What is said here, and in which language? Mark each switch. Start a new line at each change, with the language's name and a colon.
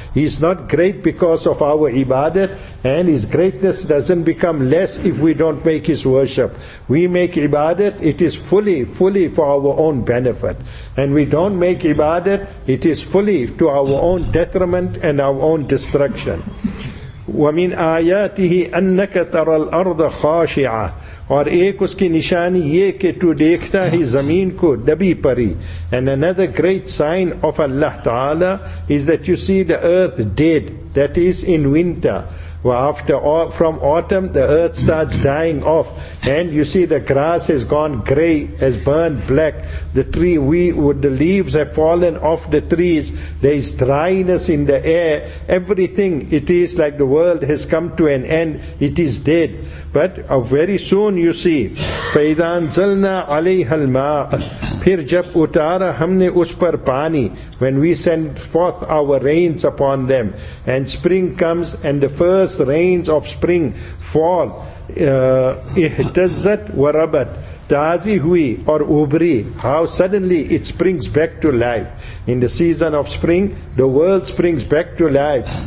English: He is not great because of our ibadat, and His greatness doesn't become less if we don't make His worship. We make ibadat, it is fully for our own benefit. And we don't make ibadat, it is fully to our own detriment and our own destruction.
Arabic: وَمِنْ آيَاتِهِ أَنَّكَ تَرَى الْأَرْضَ خَاشِعَةً.
Urdu: और एक उसकी निशानी ये कि तू देखता है जमीन को दबी परी.
English: And another great sign of Allah Taala is that you see the earth dead, that is in winter. Well, after all, from autumn, the earth starts dying off, and you see the grass has gone grey, has burned black. The leaves have fallen off the trees. There is dryness in the air. Everything, it is like the world has come to an end. It is dead. But very soon, you see,
Arabic: فَإِذَا أَنزَلْنَا عَلَيْهَا الْمَاءَ
Urdu: फिर जब उतारा हमने उस पर पानी.
English: When we send forth our rains upon them, and spring comes, and the first rains of spring fall,
Arabic: اهتزت وربت,
Urdu: تازي هوي or ubri,
English: how suddenly it springs back to life. In the season of spring, the world springs back to life.